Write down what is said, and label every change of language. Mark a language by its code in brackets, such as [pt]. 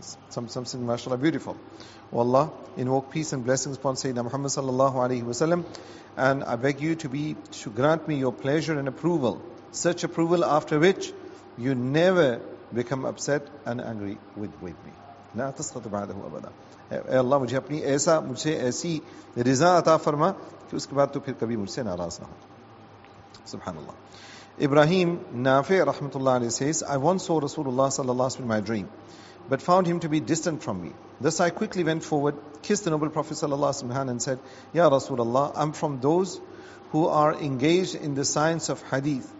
[en] Something mashallah beautiful. O Allah, invoke peace and blessings upon Sayyidina Muhammad sallallahu alayhi wa sallam, and I beg you to grant me your pleasure and approval, such approval after which you never become upset and angry with me. [ar] لا تسخط بعده ابدا. [ur] اے اللہ مجھے اپنی ایسا مجھے ایسی رضا عطا فرما کہ اس کے بعد تو پھر کبھی مجھ سے ناراض نہ ہو. [ar] سبحان اللہ. [en] ابراہیم نافع رحمۃ اللہ علیہ says, I once saw Rasulullah صلی اللہ علیہ وسلم in my dream, but found him to be distant from me. Thus I quickly went forward, kissed the noble Prophet صلی اللہ علیہ وسلم and said, Ya Rasulullah, I'm from those who are engaged in the science of hadith.